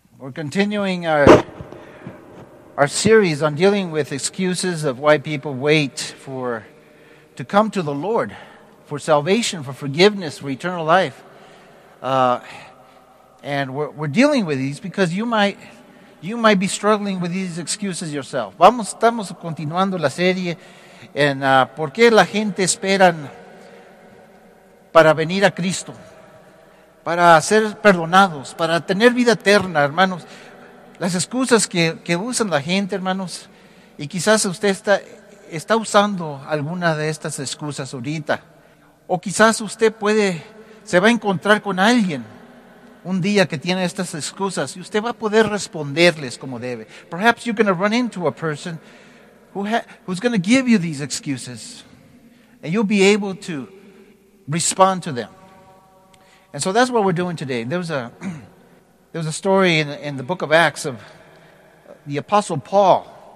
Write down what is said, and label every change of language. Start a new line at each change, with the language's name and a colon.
English: We're continuing our series on dealing with excuses of why people wait to come to the Lord for salvation, for forgiveness, for eternal life. And we're dealing with these because you might be struggling with these excuses yourself.
Spanish: Estamos continuando la serie en por qué la gente esperan para venir a Cristo. Para ser perdonados, para tener vida eterna, hermanos. Las excusas que usan la gente, hermanos, y quizás usted está usando alguna de estas excusas ahorita. O quizás usted se va a encontrar con alguien un día que tiene estas excusas y usted va a poder responderles como debe.
English: Perhaps you're going to run into a person who's going to give you these excuses and you'll be able to respond to them. And so that's what we're doing today. There was a story in the book of Acts of the Apostle Paul.